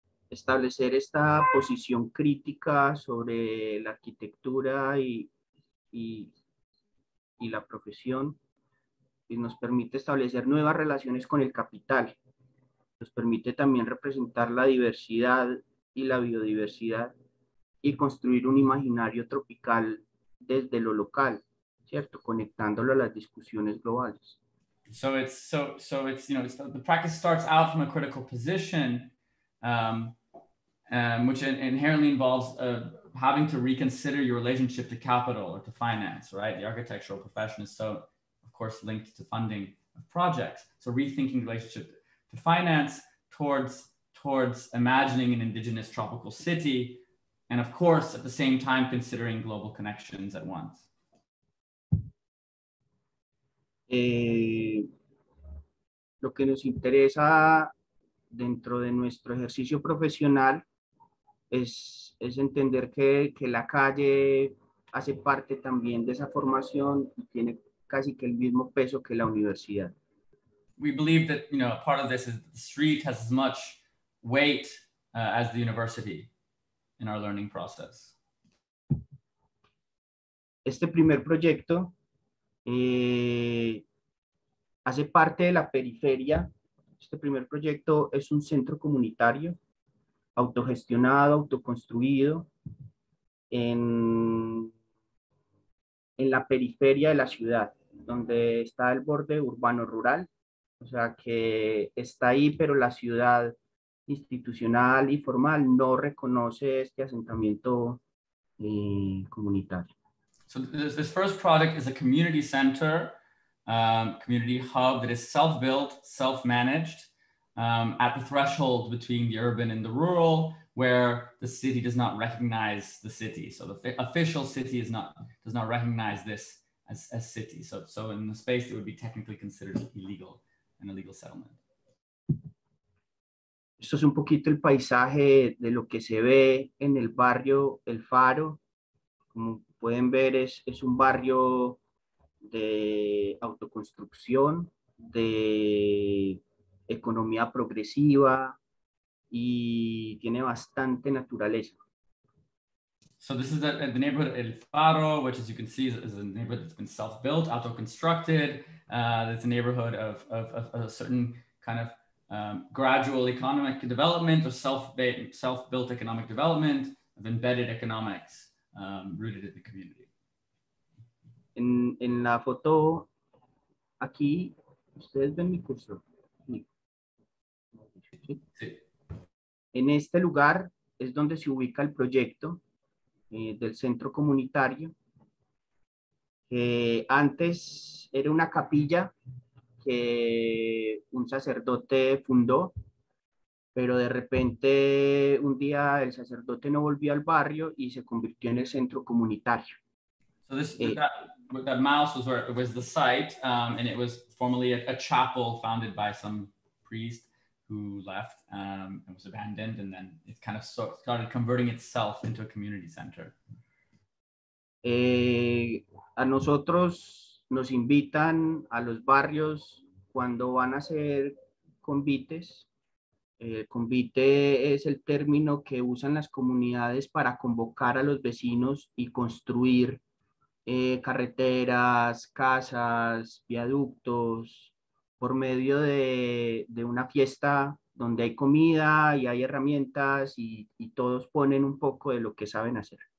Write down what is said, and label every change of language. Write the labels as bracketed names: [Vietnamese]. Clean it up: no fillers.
[Spanish] Establecer esta posición crítica sobre la arquitectura y la profesión, y nos permite establecer nuevas relaciones con el capital. Nos permite también representar la diversidad y la biodiversidad y construir un imaginario tropical desde lo local, cierto, conectándolo a las discusiones globales. [English] So it's the practice starts out from a critical position, which inherently involves having to reconsider your relationship to capital or to finance, right? The architectural profession is so, of course, linked to funding of projects. So rethinking the relationship to finance towards imagining an indigenous tropical city, and of course, at the same time, considering global connections at once. [Spanish] Lo que nos interesa dentro de nuestro ejercicio profesional es entender que la calle hace parte también de esa formación y tiene casi que el mismo peso que la universidad. [English] We believe that, you know, a part of this is the street has as much weight as the university in our learning process. [Spanish] Este primer proyecto hace parte de la periferia. Este primer proyecto es un centro comunitario autogestionado, autoconstruido en la periferia de la ciudad, donde está el borde urbano-rural, o sea que está ahí, pero la ciudad institucional y formal no reconoce este asentamiento comunitario. [English] So this first project is a community center, community hub that is self-built, self-managed, at the threshold between the urban and the rural, where the city does not recognize the city. So the official city is not, does not recognize this as city. So in the space that would be technically considered illegal, an illegal settlement. [Spanish] Esto es un poquito el paisaje de lo que se ve en el barrio El Faro. Como pueden ver, es un barrio de autoconstrucción, de economía progresiva y tiene bastante naturaleza. [English] So this is the neighborhood El Faro, which as you can see is a neighborhood that's been self-built, auto-constructed. It's a neighborhood of a certain kind of gradual economic development or self-built economic development of embedded economics rooted in the community. [Spanish] En la foto aquí, ustedes ven mi cursor. En este lugar es donde se ubica el proyecto del centro comunitario, que antes era una capilla que un sacerdote fundó, pero de repente un día el sacerdote no volvió al barrio y se convirtió en el centro comunitario. [English] So this that mouse was where it was the site, and it was formerly a chapel founded by some priest who left and was abandoned, and then it kind of started converting itself into a community center. [Spanish] A nosotros nos invitan a los barrios cuando van a hacer convites. Convite es el término que usan las comunidades para convocar a los vecinos y construir carreteras, casas, viaductos, por medio de una fiesta donde hay comida y hay herramientas y todos ponen un poco de lo que saben hacer.